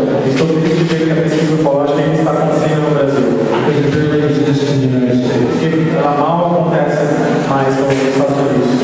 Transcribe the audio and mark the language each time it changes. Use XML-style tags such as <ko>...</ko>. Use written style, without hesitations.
<pt>Estou feliz de ver que a pesquisa ufológica ainda está acontecendo no Brasil.</pt> <en>Because it really exists in the United States.</en> <pt>Porque ela mal acontece mais nos Estados Unidos.</pt>